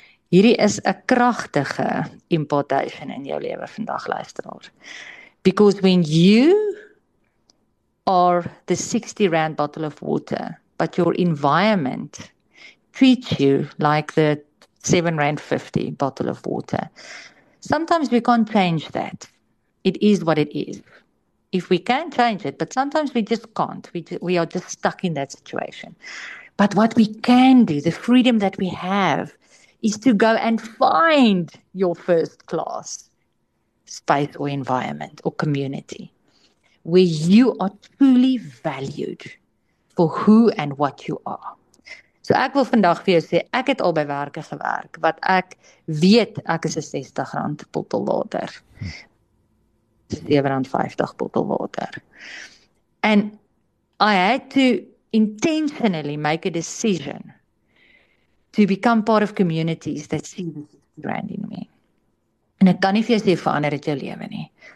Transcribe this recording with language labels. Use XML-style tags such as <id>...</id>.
<af>Hierdie is 'n kragtige importation in jou lewe vandag, luisteraar.</af> <en>Because when you are the R60 bottle of water, but your environment treats you like the R7.50 bottle of water, sometimes we can't change that. It is what it is. If we can change it, but sometimes we just can't. We are just stuck in that situation. But what we can do, the freedom that we have, is to go and find your first class space or environment or community where you are truly valued for who and what you are.</en> <af>So ek wil vandag vir jou sê, ek het al by werke gewerk, wat ek weet, ek is 'n R60 bottel water. R7.50 bottel water.</af> <en>And I had to intentionally make a decision to become part of communities that see this brand in me.</en> <af>En ek kan nie vir jou sê verander dit jou lewe nie.</af>